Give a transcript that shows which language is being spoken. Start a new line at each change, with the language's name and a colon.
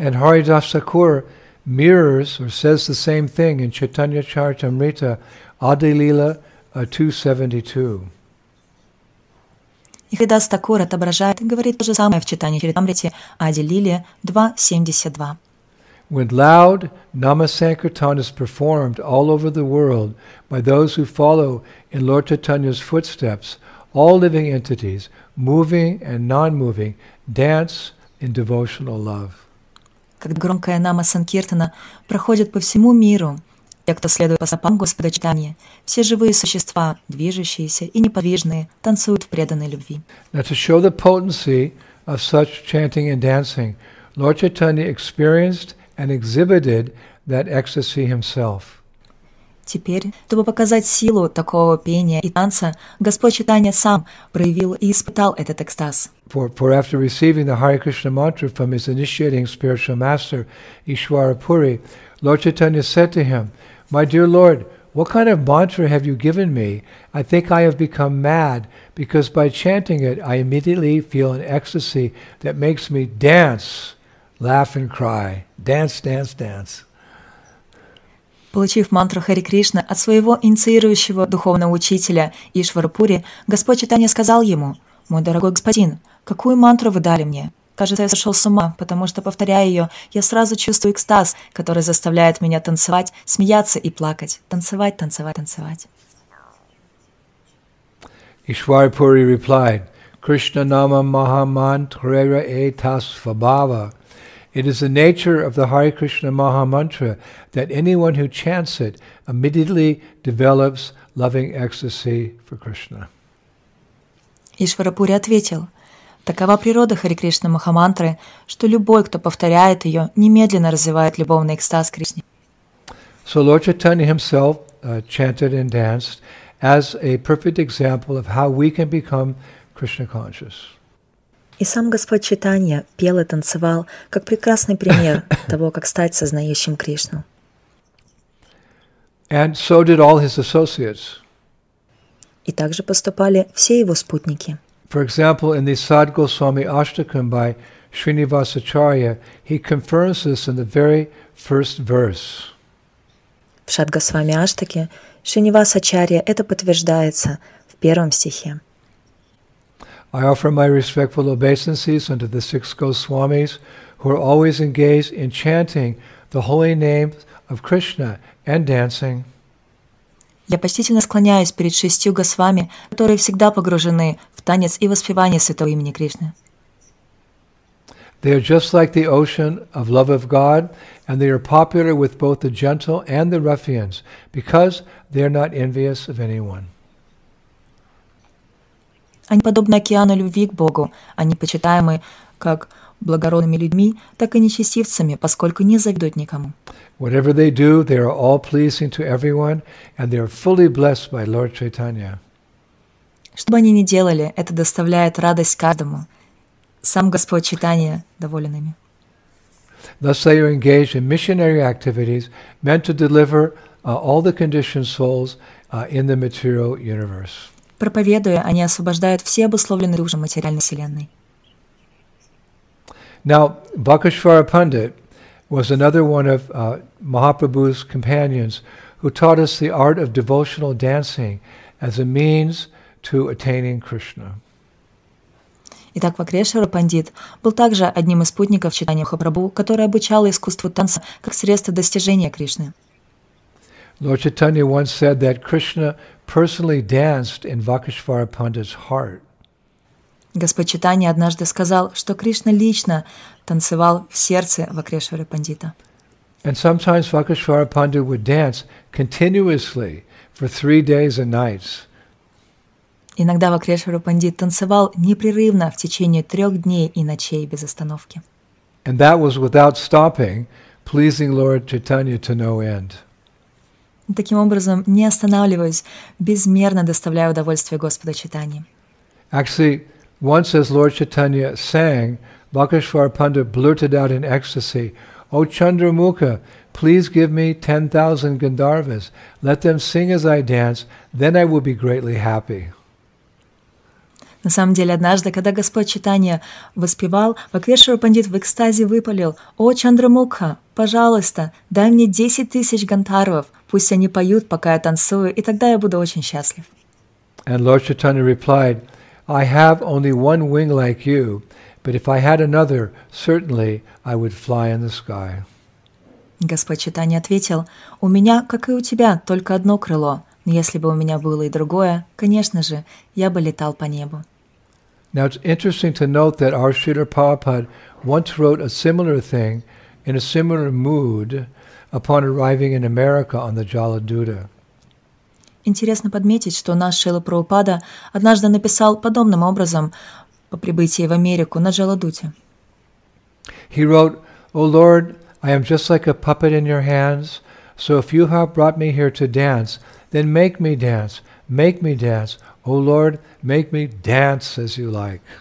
English: And Haridas Thakur mirrors or says the same thing in Chaitanya Charitamrita, Adi Lila 272.
Russian: И Хридас Такур отображает и говорит то же самое в читании Чаритамрити Ади Лили 2.72.
English: When loud Nama Sankirtan is performed all over the world by those who follow in Lord Chaitanya's footsteps, all living entities, moving and non-moving, dance in devotional love.
Russian: Когда громкая Нама Санкиртана проходит по всему миру, те, кто следует по стопам Господа Читания, все живые существа, движущиеся и неподвижные, танцуют в преданной любви.
English: Now to show the potency of such chanting and dancing, Lord Chaitanya experienced and exhibited that ecstasy himself.
Russian: Теперь, чтобы показать силу такого пения и танца, Господь Чайтанья сам проявил и испытал этот экстаз.
English: For after receiving the Hare Krishna mantra from his initiating spiritual master, Ishwara Puri, Lord Chaitanya said to him, "My dear Lord, what kind of mantra have you given me? I think I have become mad because by chanting it, I immediately feel an ecstasy that makes me dance, laugh and cry. Dance, dance, dance."
Russian: Получив мантру Хари Кришна от своего инициирующего духовного учителя Ишвара Пури, Господь Чайтанья сказал ему: «Мой дорогой господин, какую мантру вы дали мне? Кажется, я сошел с ума, потому что, повторяя ее, я сразу чувствую экстаз, который заставляет меня танцевать, смеяться и плакать. Танцевать, танцевать, танцевать».
Bangla: Ишвара Пури
English: replied:
Bangla: «Кришна нама маха мантрера э тас фабава.
English: It is the nature of the Hare Krishna Maha Mantra that anyone who chants it immediately develops loving ecstasy for Krishna».
Russian: Ишвара Пури ответил: «Такова природа Хари Кришна Маха Мантры, что любой, кто повторяет ее, немедленно развивает любовный экстаз Кришне».
English: So Lord Chaitanya himself chanted and danced as a perfect example of how we can become Krishna conscious.
Russian: И сам Господь Чайтанья пел и танцевал как прекрасный пример того, как стать сознающим Кришну.
English: And so did all his associates.
Russian: И также поступали все его спутники.
English: For example, in the Sad Goswami Ashtakam by Srinivasacharya, he confirms this in the very first verse.
Russian: В Сад Госвами Аштаке Шринивасачарья это подтверждается в первом стихе.
English: I offer my respectful obeisances unto the six Goswamis who are always engaged in chanting the holy name of Krishna and dancing.
Russian: Я почтительно склоняюсь перед шестью Госвами, которые всегда погружены в танец и воспевание святого имени Кришны.
English: They are just like the ocean of love of God, and they are popular with both the gentle and the ruffians because they are not envious of anyone.
Russian: Они подобны океану любви к Богу. Они почитаемы как благородными людьми, так и нечестивцами, поскольку не завидуют никому.
English: Whatever they do, they are all pleasing to everyone, and they are fully blessed by Lord Chaitanya.
Russian: Что бы они ни делали, это доставляет радость каждому. Сам Господь Чайтанья доволен ими.
English: Thus they are engaged in missionary activities meant to deliver all the conditioned souls in the material universe.
Russian: Проповедуя, они освобождают все обусловленные души материальной вселенной.
English: Now, Bhakashvara Pandit was another one of Mahaprabhu's companions who taught us the art of devotional dancing as a means to attaining Krishna.
Russian: Итак, Бхакешвара Пандит был также одним из спутников Чайтанья Махапрабху, который обучал искусству танца как средство достижения Кришны.
English: Lord Chaitanya once said that Krishna personally danced in Bhakashvara Pandit's heart.
Russian: Господь Чайтанья однажды сказал, что Кришна лично танцевал в сердце Бхакешвары Пандита.
English: And sometimes Bhakashvara Pandit would dance continuously for 3 days and nights.
Russian: Иногда Бхакешвара Пандит танцевал непрерывно в течение 3 дней и ночей без остановки.
English: And that was without stopping, pleasing Lord Chaitanya to no end.
Russian: Таким образом, не останавливаясь, безмерно доставляя удовольствие Господу Чайтанье.
English: Actually, once as Lord Chaitanya sang, Bhakashvara Pandit blurted out in ecstasy, "O Chandramukha, please give me 10,000 Gandharvas. Let them sing as I dance, then I will be greatly happy."
Russian: На самом деле, однажды, когда Господь Чайтанья воспевал, Бхакешвара Пандит в экстазе выпалил: «О, Чандрамукха, пожалуйста, дай мне 10,000 гандхарвов, пусть они поют, пока я танцую, и тогда я буду очень счастлив».
English: And Lord Chaitanya replied, "I have only one wing like you, but if I had another, certainly I would fly in the sky."
Russian: Господь Чайтанья ответил: «У меня, как и у тебя, только одно крыло. Но если бы у меня было и другое, конечно же, я бы летал по небу».
English: Now it's interesting to note that our Srila Prabhupada once wrote a similar thing in a similar mood upon arriving in America on the Jaladuta.
Russian: Интересно подметить, что наш Шрила Прабхупада однажды написал подобным образом по прибытии в Америку на Джаладуте.
English: He wrote, "O Lord, I am just like a puppet in your hands. So if you have brought me here to dance, then make me dance. Make me dance. O Lord, make me dance as you like.